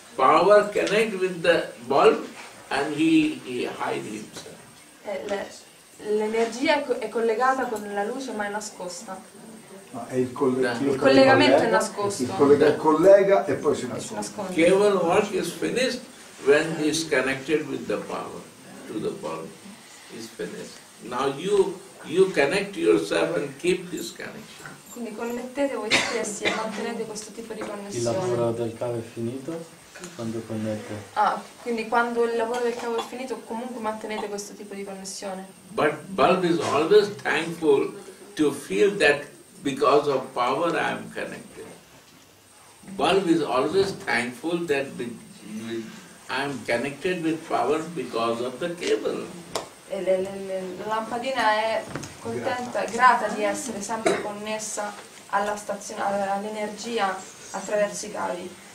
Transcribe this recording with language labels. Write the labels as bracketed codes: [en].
[en] Power connect with the bulb and he hide himself. [it] L'energia è collegata con la luce, ma è nascosta. No, è il collegamento è nascosto. Collega e poi si nasconde. [en] Cable work is finished when he is connected with the power to the bulb. Is finished. Now you connect yourself and keep this connection. [it] Quindi connettete voi stessi e mantenete questo tipo di connessione. Il lavoro del cavo è finito quando connette. Ah, quindi quando il lavoro del cavo è finito comunque mantenete questo tipo di connessione. [en] But bulb is always thankful to feel that because of power I am connected. Bulb is always thankful that I am connected with power because of the cable. [it] E la lampadina è contenta, grata di essere sempre connessa alla stazione, all'energia attraverso i cavi.